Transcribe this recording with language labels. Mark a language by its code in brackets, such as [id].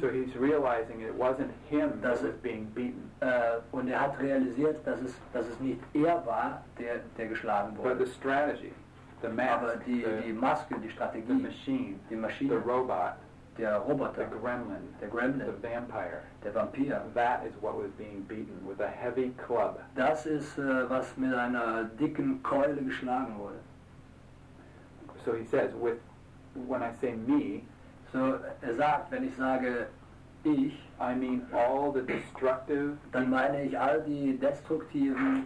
[en] So he's realizing it wasn't him that was being beaten. [de] Und hat realisiert, dass es nicht war, der geschlagen wurde. [en] But the strategy, the mask, [de] aber die Maske, die Strategie, [en] the machine, the robot. [de] Der Roboter, [en] the gremlin, the vampire, [de] der Vampir, [en] that is what was being beaten with a heavy club. [de] Das ist, was mit einer dicken Keule geschlagen wurde. [en] So he says, when I say me, [de] so er sagt, wenn ich sage ich, [en] I mean all the destructive, [de] dann meine ich all die destruktiven,